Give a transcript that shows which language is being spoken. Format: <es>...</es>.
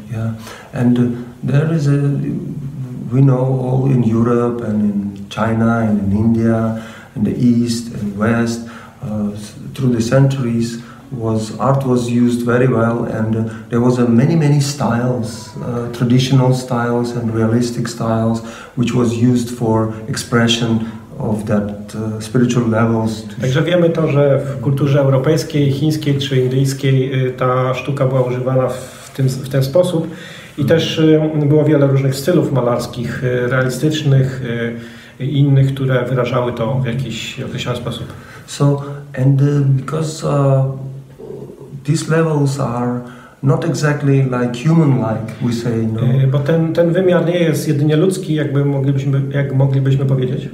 <en>Yeah, and there is a, we know all in Europe and in China and in India and the East and West through the centuries. Was art was used very well, and there was a many styles, traditional styles and realistic styles, which was used for expression of that spiritual levels.</en> <pl>Także wiemy to, że w kulturze europejskiej, chińskiej czy indyjskiej ta sztuka była używana w ten sposób, i też było wiele różnych stylów malarskich, realistycznych i innych, które wyrażały to w jakiś określony sposób.</pl> <en>So and because these levels are not exactly like human-like, we say, no.</en> <pl>Bo ten wymiar nie jest jedynie ludzki, jak moglibyśmy powiedzieć.</pl>